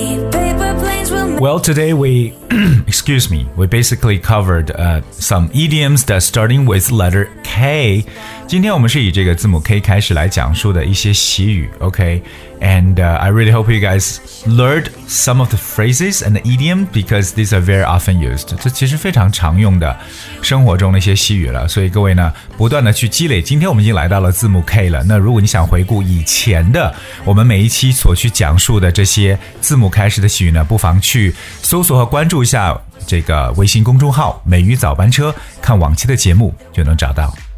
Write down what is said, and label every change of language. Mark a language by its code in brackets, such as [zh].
[en] Well, today we excuse me, we basically covered some idioms that starting with letter K. [zh] 今天我们是以这个字母 K 开始来讲述的一些习语， OK. [en] And I really hope you guys learned some of the phrases and the idioms because these are very often used. [zh] 这其实非常常用的生活中的一些习语了，所以各位呢不断的去积累。今天我们已经来到了字母 K 了，那如果你想回顾以前的我们每一期所去讲述的这些字母开始的习语呢，不妨去搜索和关注一下这个微信公众号美语早班车，看往期的节目就能找到。